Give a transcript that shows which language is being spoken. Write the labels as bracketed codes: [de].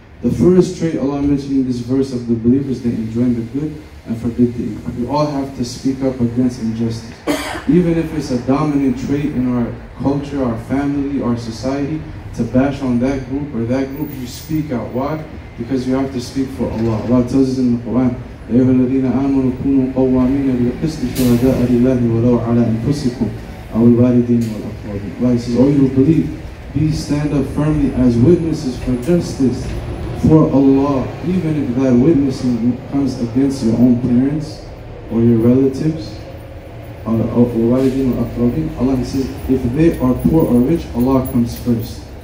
[en] The first trait Allah mentioned in this verse of the believers, they enjoin the good and forbid the evil. We all have to speak up against injustice. Even if it's a dominant trait in our culture, our family, our society, to bash on that group or that group, you speak out. Why? Because you have to speak for Allah. Allah tells us in the Quran, [ar] أيها الذين آمنوا كونوا قوامين بالقسط شهداء لله ولو على أنفسكم أو الوالدين والأقارب. [en] Allah says, O you who believe, please stand up firmly as witnesses for justice for Allah, even if that witnessing comes against your own parents or your relatives. Allah says, if they are poor or rich, Allah comes first.